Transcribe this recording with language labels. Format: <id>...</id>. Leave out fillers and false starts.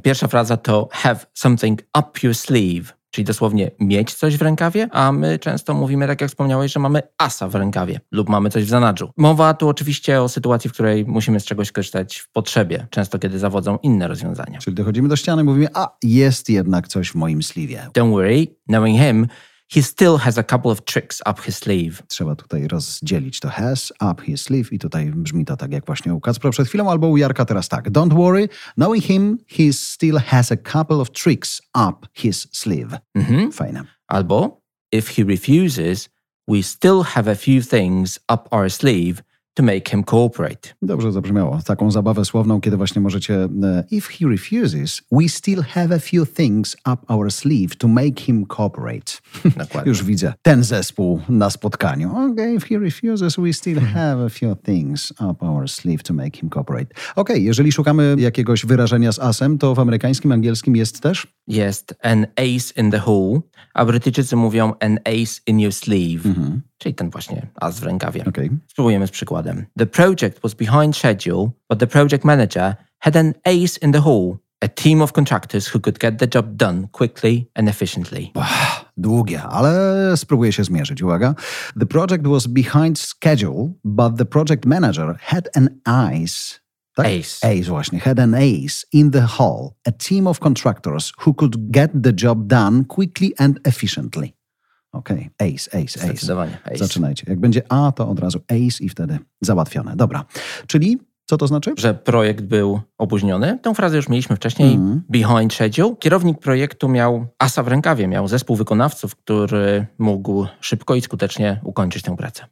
<pl>Pierwsza fraza to</pl> <en>have something up your sleeve,</en> <pl>czyli dosłownie mieć coś w rękawie, a my często mówimy, tak jak wspomniałeś, że mamy asa w rękawie lub mamy coś w zanadrzu. Mowa tu oczywiście o sytuacji, w której musimy z czegoś korzystać w potrzebie, często kiedy zawodzą inne rozwiązania. Czyli dochodzimy do ściany, mówimy, a jest jednak coś w moim sleeve.</pl> <en>Don't worry, knowing him, he still has a couple of tricks up his sleeve.</en> <pl>Trzeba tutaj rozdzielić to</pl> <en>has, up his sleeve</en> <pl>i tutaj brzmi to tak jak właśnie u Kacpra przed chwilą albo u Jarka teraz tak.</pl> <en>Don't worry, knowing him, he still has a couple of tricks up his sleeve. Mm-hmm.</en> <pl>Fajne.</pl> <en>Albo, if he refuses, we still have a few things up our sleeve to make him cooperate.</en> <pl>Dobrze zabrzmiało. Taką zabawę słowną, kiedy właśnie możecie...</pl> <en>If he refuses, we still have a few things up our sleeve to make him cooperate.</en> <pl>Dokładnie. Już widzę ten zespół na spotkaniu.</pl> <en>Okay, if he refuses, we still have a few things up our sleeve to make him cooperate.</en> <pl>Okay, jeżeli szukamy jakiegoś wyrażenia z asem, to w amerykańskim, angielskim jest też? Jest</pl> <en>an ace in the hole,</en> <pl>a Brytyjczycy mówią</pl> <en>an ace in your sleeve. Mhm.</en> <pl>Czyli ten właśnie as w rękawie. Okay. Spróbujemy z przykładem.</pl> <en>The project was behind schedule, but the project manager had an ace in the hole. A team of contractors who could get the job done quickly and efficiently.</en> <pl>Długie, ale spróbuję się zmierzyć. Uwaga.</pl> <en>The project was behind schedule, but the project manager had an ace.</en> <pl>Tak? Ace.</pl> <en>Ace właśnie. Had an ace in the hole. A team of contractors who could get the job done quickly and efficiently. Okej, okay. ace.</en> <pl>Zdecydowanie, ace. Zaczynajcie. Jak będzie A, to od razu ace i wtedy załatwione. Dobra, czyli co to znaczy? Że projekt był opóźniony. Tę frazę już mieliśmy wcześniej. Mm.</pl> <en>Behind schedule.</en> <pl>Kierownik projektu miał asa w rękawie, miał zespół wykonawców, który mógł szybko i skutecznie ukończyć tę pracę.</pl>